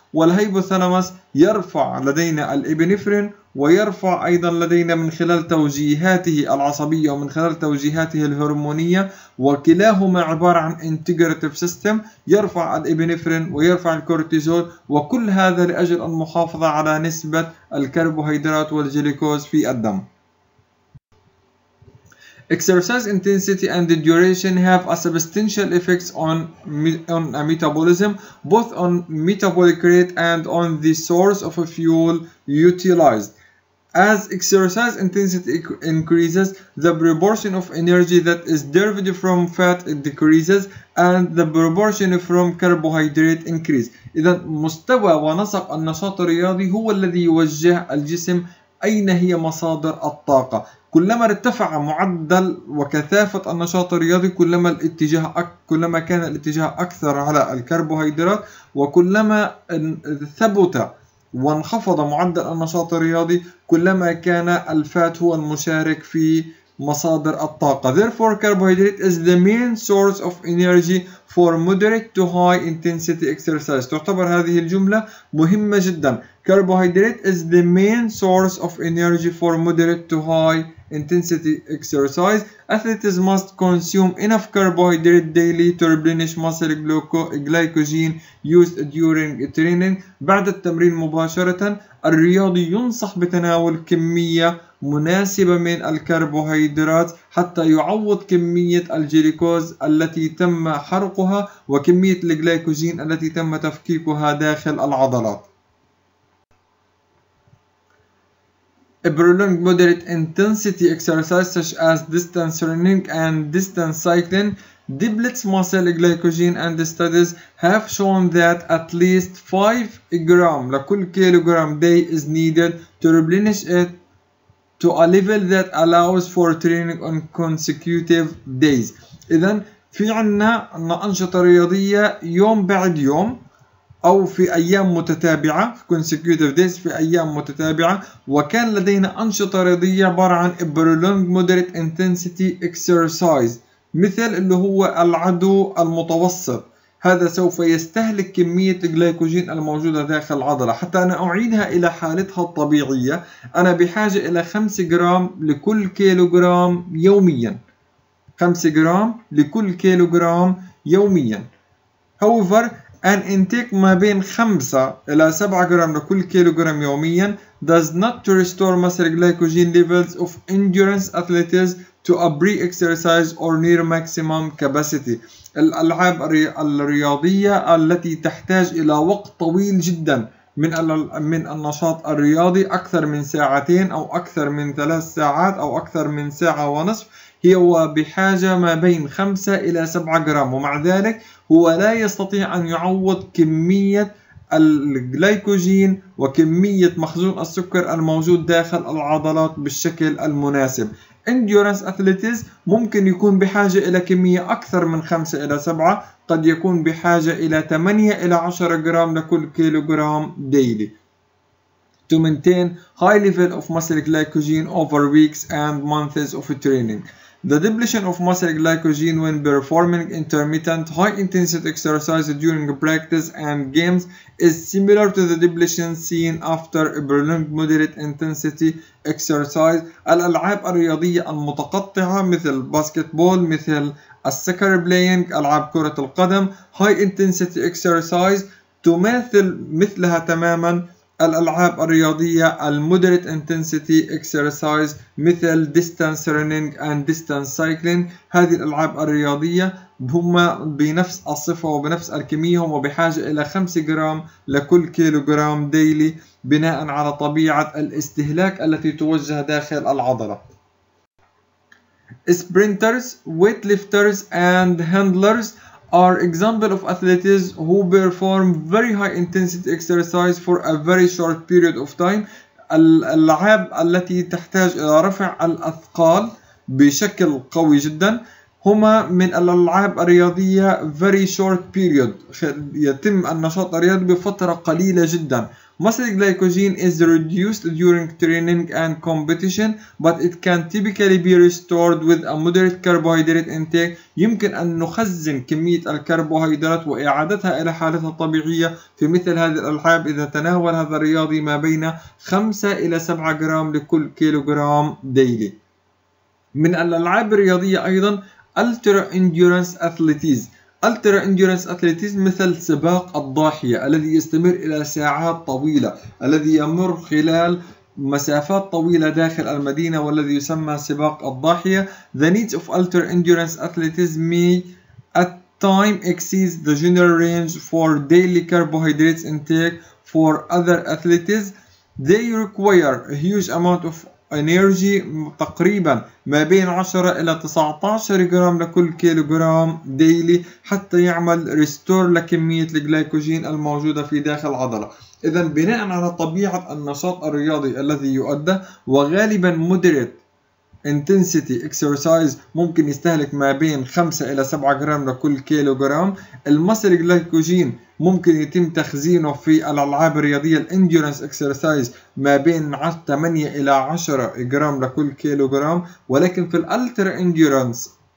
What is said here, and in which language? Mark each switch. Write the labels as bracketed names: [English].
[Arabic] والهيبوثالاموس يرفع لدينا الإبنفرين ويرفع أيضا لدينا من خلال توجيهاته العصبية ومن خلال توجيهاته الهرمونية، وكلاهما عبارة عن [English] integrative system، [Arabic] يرفع الإبنفرين ويرفع الكورتيزول، وكل هذا لأجل المحافظة على نسبة الكربوهيدرات والجليكوز في الدم. [English] Exercise intensity and the duration have a substantial effects on metabolism, both on metabolic rate and on the source of fuel utilized. As exercise intensity increases, the proportion of energy that is derived from fat decreases and the proportion from carbohydrate increase. [Arabic] إذا مستوى ونسق النشاط الرياضي هو الذي يوجه الجسم أين هي مصادر الطاقة. كلما ارتفع معدل وكثافة النشاط الرياضي كلما كان الاتجاه أكثر على الكربوهيدرات، وكلما ثبت وانخفض معدل النشاط الرياضي كلما كان الفات هو المشارك في مصادر الطاقة. [English] Therefore, carbohydrate is the main source of energy for moderate to high intensity exercise. [Arabic] تعتبر هذه الجملة مهمة جدا. [English] Carbohydrate is the main source of energy for moderate to high intensity exercise. Athletes must consume enough carbohydrate daily to replenish muscle glycogen used during training. [Arabic] بعد التمرين مباشرة الرياضي ينصح بتناول كمية مناسبة من الكربوهيدرات حتى يعوض كمية الجليكوز التي تم حرقها وكمية الجليكوجين التي تم تفكيكها داخل العضلات. [English] A prolonged moderate intensity exercise such as distance running and distance cycling depletes muscle glycogen, and the studies have shown that at least 5 gram [Arabic] لكل كيلوغرام [English] day is needed to replenish it to a level that allows for training on consecutive days. [Arabic] إذا في عنا أنشطة رياضية يوم بعد يوم أو في أيام متتابعة [English] consecutive days [Arabic] في أيام متتابعة، وكان لدينا أنشطة رياضية عبارة عن [English] prolonged moderate intensity exercise [Arabic] مثل اللي هو العدو المتوسط، هذا سوف يستهلك كمية الجليكوجين الموجودة داخل العضلة حتى أنا أعيدها إلى حالتها الطبيعية. أنا بحاجة إلى 5 جرام لكل كيلوغرام يوميا، 5 جرام لكل كيلوغرام يوميا. [English] However, an intake [Arabic] ما بين 5 إلى 7 جرام لكل كيلوغرام يوميا [English] does not restore muscle glycogen levels of endurance athletes to a pre-exercise or near maximum capacity. [Arabic] الألعاب الرياضية التي تحتاج إلى وقت طويل جدا من النشاط الرياضي أكثر من ساعتين أو أكثر من 3 ساعات أو أكثر من ساعة ونصف هي بحاجة ما بين 5 إلى 7 جرام، ومع ذلك هو لا يستطيع أن يعوض كمية الجليكوجين وكمية مخزون السكر الموجود داخل العضلات بالشكل المناسب. [English] Endurance athletes [Arabic] ممكن يكون بحاجة إلى كمية أكثر من 5 إلى 7، قد يكون بحاجة إلى 8 إلى 10 جرام لكل كيلوغرام [English] daily to maintain high level of muscle glycogen over weeks and months of training. The depletion of muscle glycogen when performing intermittent high intensity exercise during practice and games is similar to the depletion seen after a prolonged moderate intensity exercise. [Arabic] الألعاب الرياضية المتقطعة مثل باسكتبول، مثل السكر بلاينج، ألعاب كرة القدم، [English] high intensity exercise [Arabic] تماثل مثلها تماما الألعاب الرياضية [English] المودريت intensity exercise [Arabic] مثل [English] Distance running and distance cycling. [Arabic] هذه الألعاب الرياضية هما بنفس الصفة وبنفس الكمية، هما بحاجة إلى 5 جرام لكل كيلوغرام ديلي بناء على طبيعة الاستهلاك التي توجه داخل العضلة. [English] Sprinters, weightlifters and handlers are example of athletes who perform very high intensity exercise for a very short period of time. [Arabic] الألعاب التي تحتاج إلى رفع الأثقال بشكل قوي جدا هما من الألعاب الرياضية [English] very short period، [Arabic] يتم النشاط الرياضي بفترة قليلة جدا. [English] Muscle glycogen is reduced during training and competition, but it can typically be restored with a moderate carbohydrate intake. [Arabic] يمكن أن نخزن كمية الكربوهيدرات وإعادتها إلى حالتها الطبيعية في مثل هذه الألعاب إذا تناول هذا الرياضي ما بين 5 إلى 7 جرام لكل كيلوغرام ديلي. من الألعاب الرياضية أيضا [English] Ultra Endurance Athletes. Ultra Endurance Athletes [Arabic] مثل سباق الضاحية الذي يستمر إلى ساعات طويلة، الذي يمر خلال مسافات طويلة داخل المدينة والذي يسمى سباق الضاحية. [English] The needs of Ultra Endurance Athletes may at time exceeds the general range for daily carbohydrates intake for other athletes. They require a huge amount of energy [Arabic] تقريبا ما بين 10 إلى 19 جرام لكل كيلوغرام ديلي حتى يعمل ريستور لكمية الجلايكوجين الموجودة في داخل العضلة. إذا بناء على طبيعة النشاط الرياضي الذي يؤدى وغالبا [English] moderate intensity exercise [Arabic] ممكن يستهلك ما بين 5 إلى 7 جرام لكل كيلوغرام، المصل الجلايكوجين ممكن يتم تخزينه في الألعاب الرياضية [English] الانديورنس اكسرسايز [Arabic] ما بين 8 إلى 10 جرام لكل كيلوغرام، ولكن في الألترا انديورنس